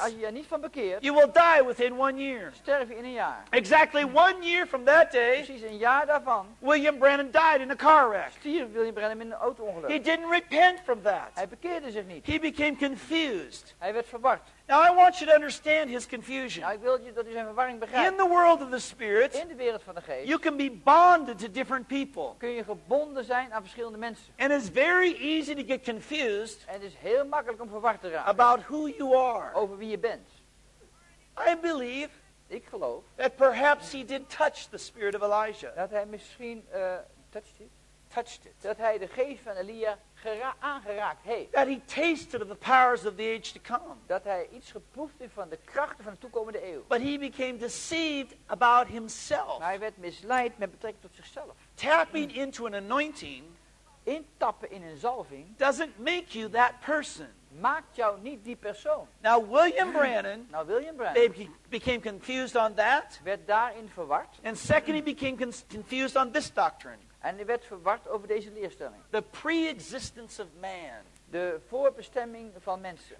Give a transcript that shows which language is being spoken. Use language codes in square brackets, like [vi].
[nl] als je er niet van bekeert, [en] you will die within 1 year. [nl] Sterf je in een jaar. [en] Exactly 1 year from that day, [nl] precies een jaar daarvan, [en] William Branham died in a car wreck. [nl] Stierf William Branham in een auto-ongeluk. [en] He didn't repent from that. [nl] Hij bekeerde zich niet. [en] He became confused. [nl] Hij werd verward. [en] Now I want you to understand his confusion. [nl] Nou, ik wil dat u zijn verwarring begrijpt. [en] In the world of the spirit, [nl] in de wereld van de geest, [en] you can be bonded to different people. [nl] Kun je gebonden zijn aan verschillende mensen. [en] And it's very easy to get confused. [nl] En het is heel makkelijk om verward te raken. [en] About who you are. [nl] Over wie je bent. [en] I believe. [nl] Ik geloof. [en] That perhaps he did touch the spirit of Elijah. [nl] Dat hij misschien [en] touched it. Touched it. [nl] Dat hij de geest van Elia aangeraakt heeft. [en] That he tasted of the powers of the age to come. [nl] Dat hij iets geproefd heeft van de krachten van de toekomende eeuw. [en] But he became deceived about himself. [nl] Maar hij werd misleid met betrekking tot zichzelf. [en] Tapping into an anointing. [nl] Intappen in een zalving. [en] Doesn't make you that person. [nl] Maakt jou niet die persoon. [en] Now William Branham. [nl] Nou William Branham. [en] Became confused on that. [nl] Werd daarin verward. [en] And second he became confused on this doctrine. [nl] En hij werd verward over deze leerstelling. [en] The pre-existence of man. [nl] De voorbestemming van mensen.